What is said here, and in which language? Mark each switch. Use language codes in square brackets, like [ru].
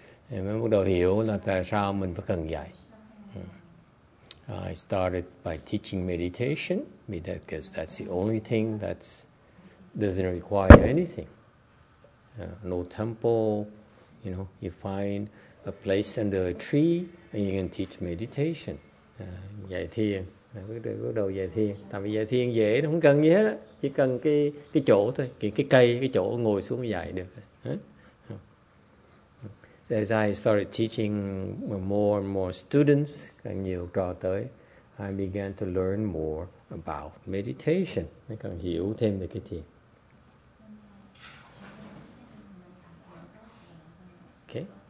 [vi] And mới bắt đầu hiểu là tại sao mình phải cần dạy. [en] I started by teaching meditation, because that's the only thing that doesn't require anything. No temple, you know, you find a place under a tree and you can teach meditation. [vi] Dạy thiền, bắt đầu dạy thiền. Tại vì dạy thiền dễ, không cần gì hết á. Chỉ cần cái chỗ thôi, cái cây, cái chỗ ngồi xuống dạy được. [en] As I started teaching more and more students, [vi] càng nhiều trò tới, [en] I began to learn more about meditation. [vi] I càng hiểu thêm về cái thiền. Okay.